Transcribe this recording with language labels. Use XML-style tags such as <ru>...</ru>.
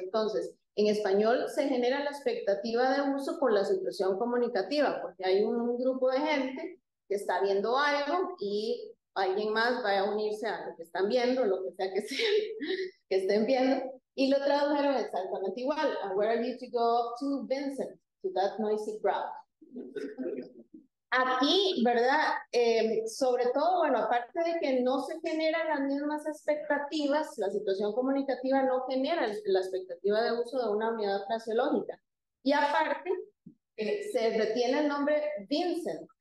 <es>Entonces, en español se genera la expectativa de uso por la situación comunicativa, porque hay un grupo de gente que está viendo algo y alguien más va a unirse a lo que están viendo, lo que sea que sea que estén viendo, y lo tradujeron exactamente igual.</es> <en>And where are you to go to, Vincent? To that noisy crowd.</en> <es>Aquí, ¿verdad? Sobre todo, bueno, aparte de que no se generan las mismas expectativas, la situación comunicativa no genera la expectativa de uso de una unidad fraseológica. Y aparte, se retiene el nombre Vincent.</es>